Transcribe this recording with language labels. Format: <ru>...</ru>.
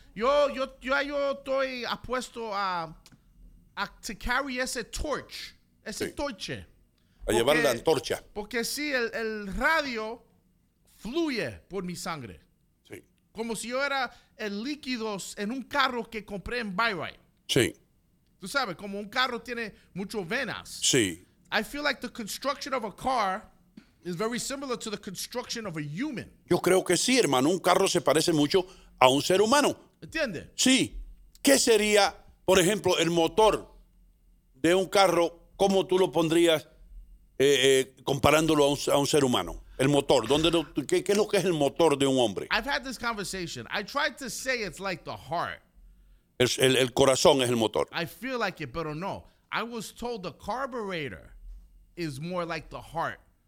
<es>Yo estoy apuesto a</es> <en>to carry</en> <es>ese torch, ese sí.</es> <en>Torche.</en> <es>A llevar la antorcha. Porque sí, el radio fluye por mi sangre. Sí. Como si yo era el líquido en un carro que compré en Byright. Sí. Tú sabes, como un carro tiene muchas venas. Sí.</es> <en>I feel like the construction of a car is very similar to the construction of a human.</en> <es>Yo creo que sí, hermano. Un carro se parece mucho a un ser humano. ¿Entiendes? Sí. ¿Qué sería, por ejemplo, el motor de un carro? ¿Cómo tú lo pondrías comparándolo a un ser humano? El motor. ¿Qué es lo que es el motor de un hombre?</es> <en>I've had this conversation. I tried to say it's like the heart.</en> <es>El corazón es el motor.</es> <en>I feel like it,</en> <es>pero no.</es> <en>I was told the carburetor is more like the heart.</en>